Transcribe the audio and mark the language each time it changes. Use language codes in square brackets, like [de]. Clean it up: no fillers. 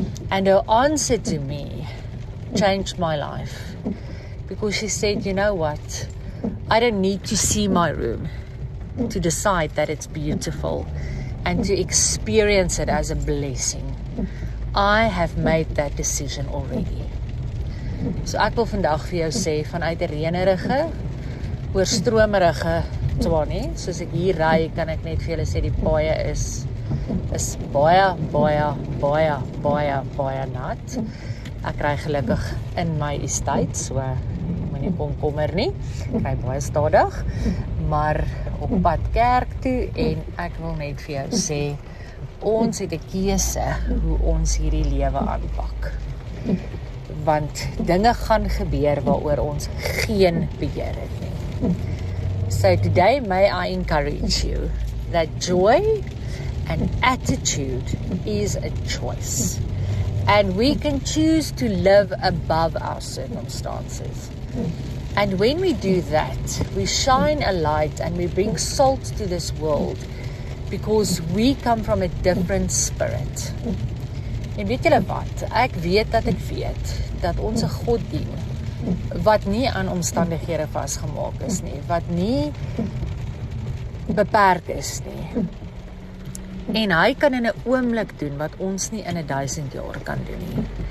[en] And her answer to me changed my life, because she said, you know what? I don't need to see my room to decide that it's beautiful and to experience it as a blessing. I have made that decision already. [af] So ek wil vandag vir jou sê, vanuit 'n reënerige, oorstromerige Tswane, soos ek hier ry, kan ek net vir julle sê, die paaie is baie, baie, baie, baie, baie nat. Ek ry gelukkig in my estate, so nie komkommer nie. Ek ry baie stadig, maar op pad kerk toe en ek wil net vir jou sê, ons het 'n keuse hoe ons hierdie lewe aanpak. Want dinge gaan gebeur waaroor ons geen beheer het nie. [en] So today may I encourage you that joy and attitude is a choice. And we can choose to live above our circumstances. And when we do that, we shine a light and we bring salt to this world because we come from a different spirit. [af] En weet julle wat? Ek weet dat ek weet dat ons 'n God dien wat nie aan omstandighede vasgemaak is nie, wat nie beperk is nie. En hy kan in 'n oomblik doen wat ons nie in 1000 jaar kan doen nie.